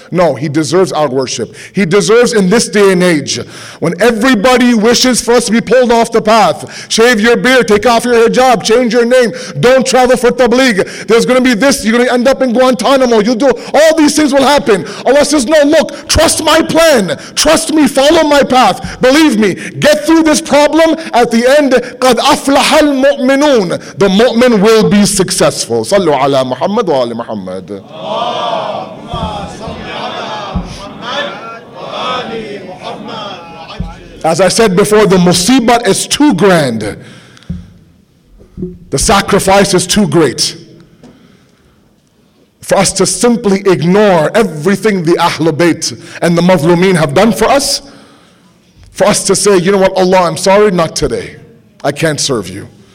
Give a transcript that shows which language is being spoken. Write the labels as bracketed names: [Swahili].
[English] No, he deserves our worship. He deserves in this day and age, when everybody wishes for us to be pulled off the path, shave your beard, take off your hijab, change your name, don't travel for tabligh, there's going to be this, you're going to end up in Guantanamo, you'll do, all these things will happen. Allah says, no, look, trust my plan, trust me, follow my path, believe me, get through this problem, at the end, [Arabic] قَدْ أَفْلَحَ الْمُؤْمِنُونَ, [English] the mu'min will be successful. [Arabic] Sallu على محمد وآل محمد. اللهم صل على محمد وآل محمد. [English] As I said before, the musibah is too grand. The sacrifice is too great for us to simply ignore everything the Ahlul Bayt and the Mazlumeen have done for us. For us to say, you know what, Allah, I'm sorry, not today. I can't serve you.